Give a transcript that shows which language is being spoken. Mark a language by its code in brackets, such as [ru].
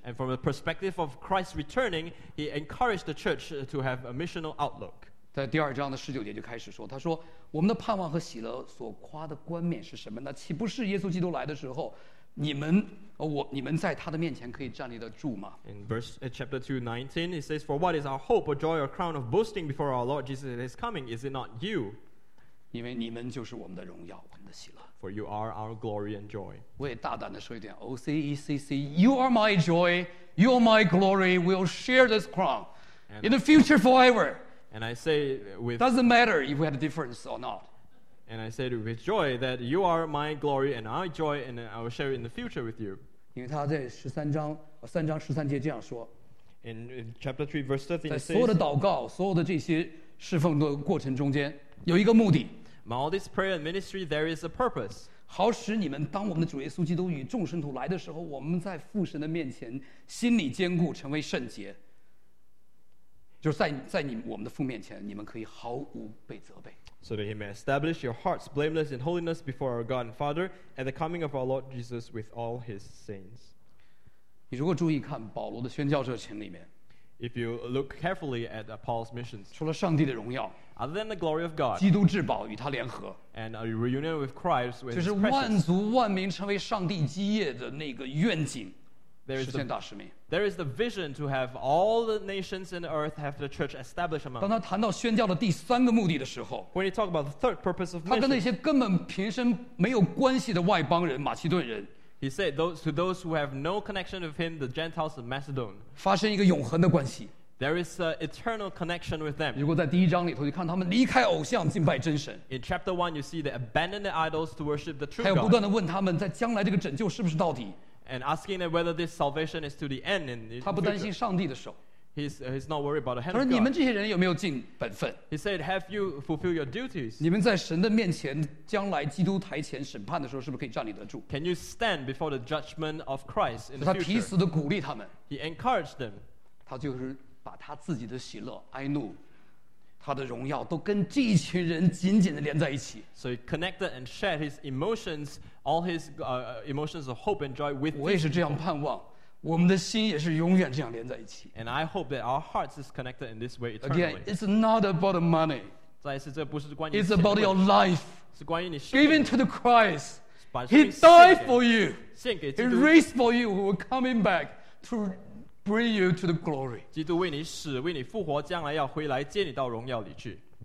[en] And from the perspective of Christ returning, he encouraged the church to have a missional outlook. [zh] 在第二章的十九节就开始说，他说，我们的盼望和喜乐所夸的冠冕是什么？那岂不是耶稣基督来的时候，你们在他的面前可以站立得住吗？ [en] In chapter 2:19, it says, "For what is our hope, or joy, or crown of boasting before our Lord Jesus at His coming? Is it not you?" [zh] 因为你们就是我们的荣耀，我们的喜乐。 [en] For you are our glory and joy. [zh] 我也大胆的说一点 [en] ，OCECC, you are my joy, you are my glory. We'll share this crown in the future forever. And I say with doesn't matter if we had a difference or not. And I said with joy that you are my glory and my joy, and I will share it in the future with you. [zh] 因为他在十三章三章十三节这样说。 [en] In chapter 3 verse 13, [zh] 在所有的祷告、所有的这些侍奉的过程中间，有一个目的。 [en] In all this prayer and ministry, there is a purpose. [zh] 好使你们当我们的主耶稣基督与众圣徒来的时候，我们在父神的面前心里坚固，成为圣洁。就是在你我们的父面前，你们可以毫无被责备。 [en] So that he may establish your hearts blameless in holiness before our God and Father at the coming of our Lord Jesus with all his saints. [zh] 你如果注意看保罗的宣教热情里面， [en] If you look carefully at Paul's missions, [zh] 除了上帝的荣耀， [en] other than the glory of God, [zh] 基督至宝与他联合， [en] and a reunion with Christ, with [zh] 就是万族万民成为上帝基业的那个愿景， [en] There is the vision to have all the nations in the earth have the church established among. [zh] 当他谈到宣教的第三个目的的时候， [en] when he talk about the third purpose of mission, [zh] 他跟那些根本平生没有关系的外邦人马其顿人， [en] he said to those who have no connection with him, the Gentiles of Macedon, [zh] 发生一个永恒的关系。 [en] There is an eternal connection with them. [zh] 如果在第一章里头，你看他们离开偶像敬拜真神。 [en] In chapter 1, you see they abandon the idols to worship the true God. [zh] 还有不断的问他们在将来这个拯救是不是到底。 [en] And asking them whether this salvation is to the end. In the [zh] 他不担心上帝的手。 [en] He's not worried about the hand of God. [zh] 他说：“你们这些人有没有尽本分 [en] ？”He said, "Have you fulfilled your duties?" [zh] 你们在神的面前，将来基督台前审判的时候，是不是可以站立得住 [en] ？Can you stand before the judgment of Christ in the future? [zh] 他提词的鼓励他们。 [en] He encouraged them. [zh] 他就是把他自己的喜乐、哀怒。他的荣耀都跟这一群人紧紧地连在一起。 [en] So he connected and shared his emotions, all his emotions of hope and joy with. [zh] 我也是这样盼望，我们的心也是永远这样连在一起。 [en] And I hope that our hearts is connected in this way eternally. Again, it's not about the money. [zh] 再一次，这不是关于。 [en] It's about your life. [zh] 是关于你。 [en] Given to the Christ, He died for you. He raised for you. We're coming back to. Bring you to the glory. [zh] 基督为你死，为你复活，将来要回来接你到荣耀里去。